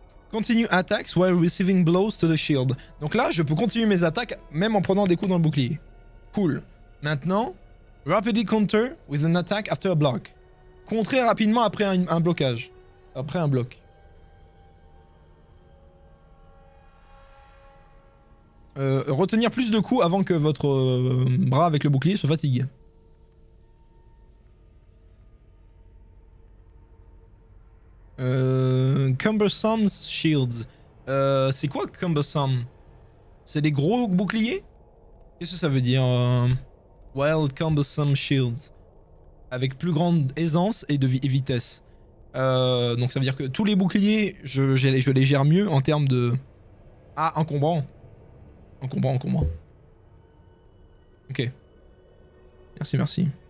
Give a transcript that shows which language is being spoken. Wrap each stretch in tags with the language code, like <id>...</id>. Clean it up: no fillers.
<en>Continue attacks while receiving blows to the shield.</en> <fr>Donc là, je peux continuer mes attaques même en prenant des coups dans le bouclier. Cool. Maintenant,</fr> <en>rapidly counter with an attack after a block.</en> <fr>Contrer rapidement après un blocage. Après un bloc. Retenir plus de coups avant que votre bras avec le bouclier se fatigue.</fr> <en>Cumbersome shields.</en> <fr>C'est quoi</fr> <en>cumbersome?</en> <fr>C'est des gros boucliers? Qu'est-ce que ça veut dire?</fr> <en>Wild cumbersome shields.</en> <fr>Avec plus grande aisance et de vitesse. Donc ça veut dire que tous les boucliers, je les gère mieux en termes de... Ah, encombrant. Encombrant, encombrant. Ok. Merci, merci.</fr>